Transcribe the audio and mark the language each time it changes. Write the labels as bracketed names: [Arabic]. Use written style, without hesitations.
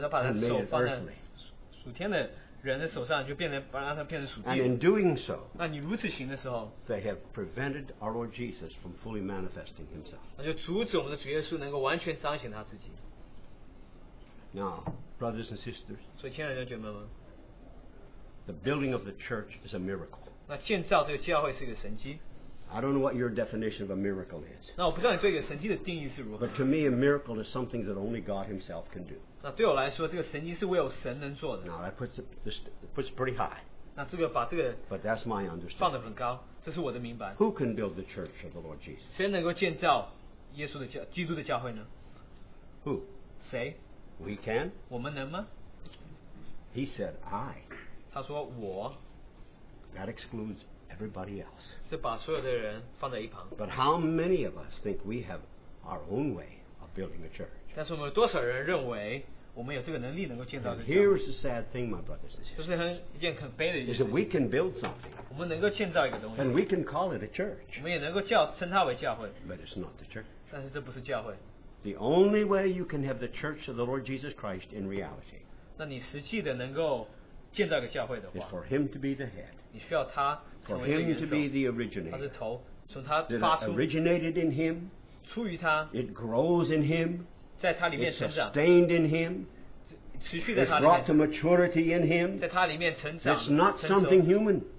[English] and made it earthly. And in doing so, [Chinese] 那你如此行的时候, [English] they have prevented our Lord Jesus from fully manifesting himself. Now, brothers and sisters, [Chinese] 所以亲爱的姐妹们, [English] the building of the church is a miracle. [Chinese] 那建造这个教会是一个神迹, [English] I don't know what your definition of a miracle is. [Chinese] 那我不知道你对一个神迹的定义是如何, [English] but to me, a miracle is something that only God Himself can do. [Chinese] 那对我来说,这个神迹是唯有神能做的。 [English] Now, that puts pretty high. [Chinese] 那这个把这个, [English] but that's my understanding. [Chinese] 放得很高, 这是我的明白。 [English] Who can build the church of the Lord Jesus? [Chinese] 谁能够建造耶稣的教会呢? [English] Who? [Chinese] 谁? [English] We can. [Chinese] 我们能吗? [English] He said, I. [Chinese] 他说我, [English] that excludes everybody else. [Chinese] 这把所有的人放在一旁, [English] but how many of us think we have our own way of building a church? [Chinese] 但是我们有多少人认为我们有这个能力能够建造这个教会? [English] And here is the sad thing, my brothers and sisters, [Chinese] 这是很一件很悲的一件事情, [English] is that we can build something, [Chinese] 我们能够建造一个东西, [English] and we can call it a church, [Chinese] 我们也能够称它为教会, [English] but it's not the church. [Chinese] 但是这不是教会。 [English] The only way you can have the church of the Lord Jesus Christ in reality, [Chinese] 那你实际的能够建造一个教会的话, [English] is for him to be the head, for him to be the originator. [Chinese] 他是头, 从他发出, [English] it originated in him, [Chinese] 出于他, [English] it grows in him, [Chinese] 在他里面成长, [English] it's sustained in him, [Chinese] 持续在他里面, [English] it's brought to maturity in him. [Chinese] 在他里面成长, [English] it's not something human.